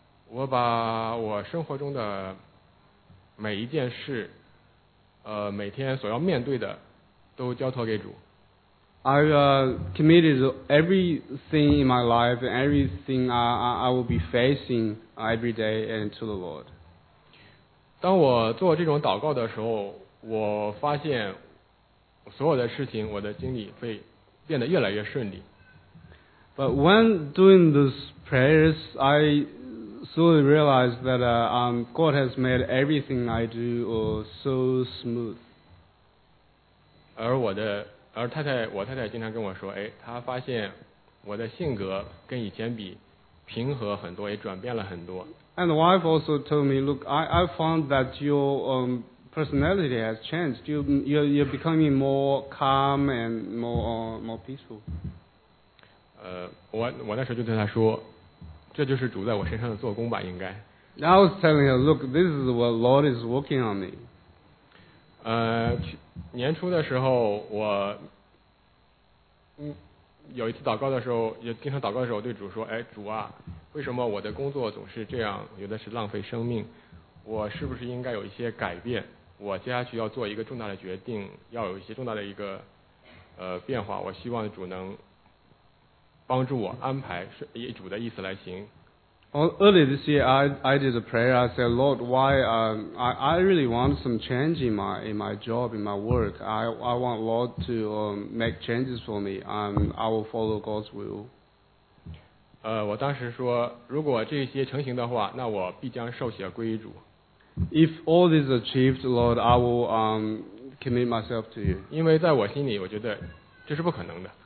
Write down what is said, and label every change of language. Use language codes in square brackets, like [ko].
[zh] 我把我生活中的每一件事每天所要面对的都交托给主。 [en] I committed everything in my life and everything I will be facing every day and to the Lord. [zh] 当我做这种祷告的时候，我发现所有的事情，我的经历会变得越来越顺利。 [en] But when doing those prayers, I slowly realized that God has made everything I do so smooth. [zh] 而太太，我太太经常跟我说，哎，她发现我的性格跟以前比平和很多，也转变了很多。 [en] And the wife also told me, look, I found that your personality has changed. You're becoming more calm and more peaceful. [zh] 我那时候就对她说，这就是主在我身上的做工吧，应该。 [en] And I was telling her, look, this is what Lord is working on me. [zh] 年初的时候，我有一次祷告的时候，也经常祷告的时候，对主说：“哎，主啊，为什么我的工作总是这样？有的是浪费生命，我是不是应该有一些改变？我接下去要做一个重大的决定，要有一些重大的一个变化。我希望主能帮助我安排，以主的意思来行。” [en] Early this year, I did a prayer. I said, Lord, why I really want some change in my job, in my work. I want Lord to make changes for me. I will follow God's will. [zh] 我当时说，如果这些成型的话，那我必将受洗归于主。 [en] If all this achieved, Lord, I will commit myself to you. [zh] 因为在我心里，我觉得这是不可能的。